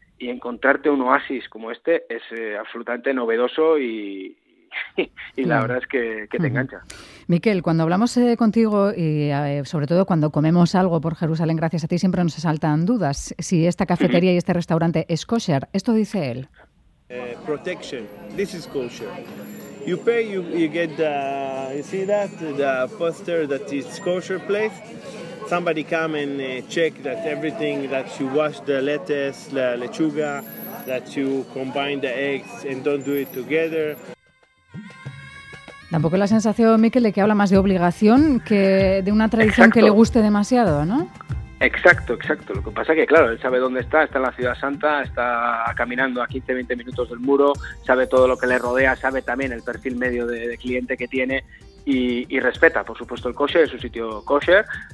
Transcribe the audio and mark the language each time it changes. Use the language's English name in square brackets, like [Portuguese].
[Spanish] Y encontrarte un oasis como este es absolutamente novedoso y la verdad es que te engancha. Miquel, cuando hablamos contigo y sobre todo cuando comemos algo por Jerusalén, gracias a ti, siempre nos asaltan dudas si esta cafetería y este restaurante es kosher. Esto dice él. [English] Protection. This is kosher. You pay, you get the, you see that, the poster that is kosher place. Somebody come and check that everything, that you wash the lettuce, the lechuga, that you combine the eggs and don't do it together. [Spanish] Tampoco la sensación, Miquel, de que habla más de obligación que de una tradición. Exacto. Que le guste demasiado, ¿no? Exacto. Lo que pasa es que, claro, él sabe dónde está, está en la Ciudad Santa, está caminando a 15, 20 minutos del muro, sabe todo lo que le rodea, sabe también el perfil medio de cliente que tiene y respeta, por supuesto, el kosher, es un sitio kosher.